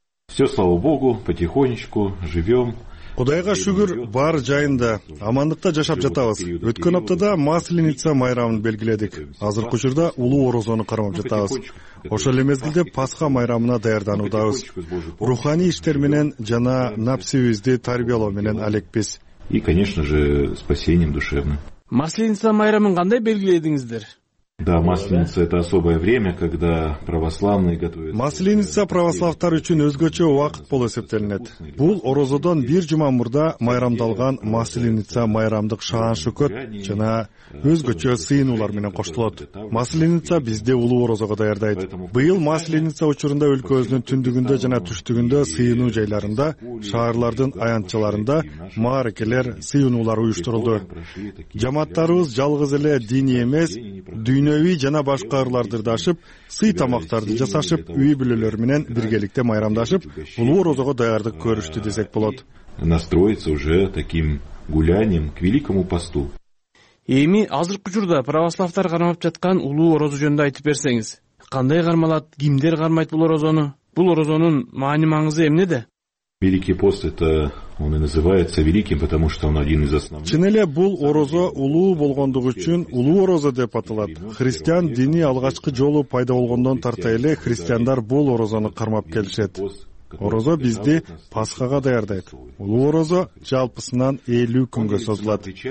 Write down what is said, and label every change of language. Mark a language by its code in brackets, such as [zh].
[ru] Все, слава Богу, потихонечку живем. [ky] Кудайга шүгүр, бар жайында, амандыкта жашап жатабыз. Өткөн аптада Масленица майрамын белгиледик. Азыркы учурда Улуу Орозону кармап жатабыз. Ошол эле мезгилде Пасха майрамына даярданудабыз. Руханий иштер менен жана напсибизди тарбиялоо менен алекпиз. [ru] И, конечно же, спасением душевным. [ky] Масленица майрамын кандай белгиледиңиздер? [ru] Да, Масленица это особое время, когда православные готовятся. [ky] Масленица православтар үчүн өзгөчө вакыт болуп эсептелинет. Бул орозодон бир жума мурда майрамдалган Масленица майрамдык шаан-шөкөт жана өзгөчө сыйынуулар менен коштолот. Масленица бизди улуу орозого даярдайт. Быйыл Масленица учурунда өлкөбүздүн түндүгүндө жана түштүгүндө сыйынуу жайларында, шаарлардын аянтчаларында маарекелер, сыйынуулар уюштурулду. Жамааттарыбыз жалгыз эле диний эмес, дүйнөвий жана башка ырларды ырдашып, сый тамактарды жасашып, үй бүлөлөр менен биргеликте майрамдашып, улуу орозого даярдык көрүштү десек болот. [ru] Настроиться уже таким гулянием к великому посту. [ky] Эми азыркы учурда православтар кармап жаткан улуу орозу жөнүндө айтып берсеңиз, кандай кармалат, кимдер кармайт бул орозону? Бул орозонун маани маңызы эмнеде? [ru] Великий пост это он и называется великим, потому что он один из основных. [ky] Чын эле бул орозо улуу болгондугу үчүн улуу орозо деп аталат. Христиан дини алгачкы жолу пайда болгондон тарта эле христиандар бул орозону кармап келишет. Орозо бизди Пасхага даярдайт. Улуу орозо жалпысынан 50 күнгө созулат.